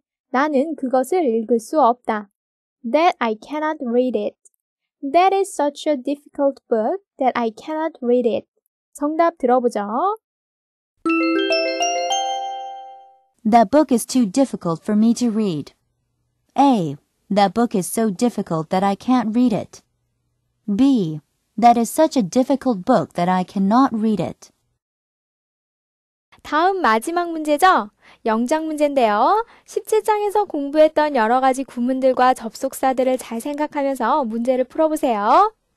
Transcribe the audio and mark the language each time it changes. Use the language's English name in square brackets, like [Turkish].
[Korean] 나는 그것을 읽을 수 없다. [English] That I cannot read it. That is such a difficult book that I cannot read it. [Korean] 정답 들어보죠. [English] That book is too difficult for me to read. A. That book is so difficult that I can't read it. B. That is such a difficult book that I cannot read it. [Korean] 다음 마지막 문제죠? 영장 문제인데요. 17장에서 공부했던 여러 가지 구문들과 접속사들을 잘 생각하면서 문제를 풀어보세요.